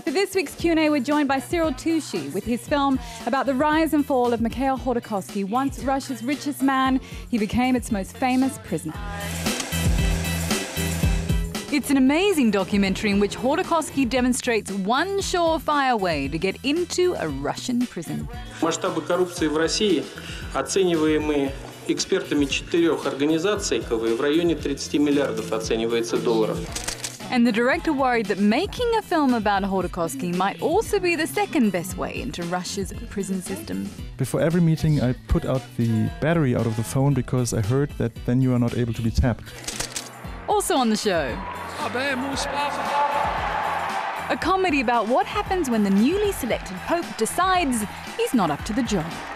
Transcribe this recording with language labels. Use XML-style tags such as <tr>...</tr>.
<en>For this week's Q&A, we're joined by Cyril Tucci with his film about the rise and fall of Mikhail Khodorkovsky. Once Russia's richest man, he became its most famous prisoner. It's an amazing documentary in which Khodorkovsky demonstrates one surefire way to get into a Russian prison.</en> <ru>Масштабы коррупции в России оцениваемые экспертами четырех организаций в районе 30 миллиардов оценивается долларов.</ru> <en>And the director worried that making a film about Khodorkovsky might also be the second best way into Russia's prison system. Before every meeting, I put out the battery out of the phone because I heard that then you are not able to be tapped. Also on the show, a comedy about what happens when the newly selected Pope decides he's not up to the job.</en>